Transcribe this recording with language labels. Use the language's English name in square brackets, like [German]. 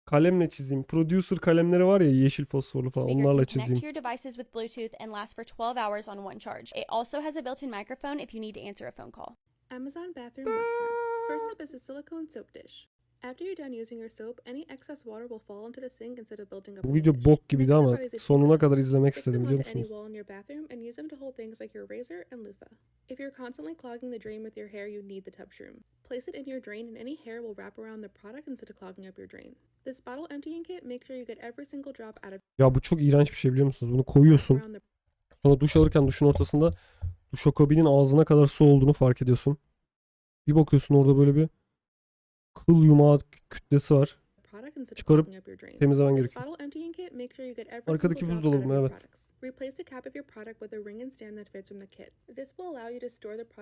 [Turkish] Kalemle çizeyim. Producer kalemleri var ya, yeşil fosforlu falan. Onlarla çizeyim. [English] Your devices with Bluetooth and last for 12 hours on one charge. It also has a built-in microphone if you need to answer a phone call. Amazon bathroom must-haves. First up is a silicone soap dish. After you're done using your soap, any excess water will fall into the sink instead of building up. [Turkish] Bu video bok gibiydi ama sonuna kadar izlemek istedim, biliyor musunuz? [English] Put them onto any wall in your bathroom and use them to hold things like your razor and loofah. If you're constantly clogging the drain with your hair, you need the tub shroom. Place it in your drain and any hair will wrap around the product instead of clogging up your drain. This bottle emptying kit, make sure you get every single drop out of. [Turkish] Ya bu çok iğrenç bir şey, biliyor musunuz? Bunu koyuyorsun. Sonra duş alırken duşun ortasında duşakabinin ağzına kadar su olduğunu fark ediyorsun. Bir bakıyorsun orada böyle bir kıl yumağı kütlesi var. Çıkarıp temizlemen gerekiyor. Arkadaki buzdolabı mı? Evet. [English] Replace the cap of your product with a ring and stand that fits from the kit. This will allow you to store the product upside down so all the liquid rushes to the bottom. Organization items.